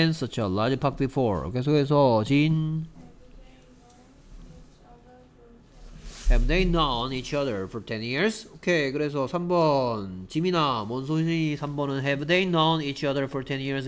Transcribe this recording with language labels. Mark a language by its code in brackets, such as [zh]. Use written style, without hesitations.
[ko] 계속해서 진 [en] Have they known each other for 10 years? [ko] 오케이. 그래서 3번 지민아, 뭔 소리? [en] 3번은 Have they known each other for 10 years?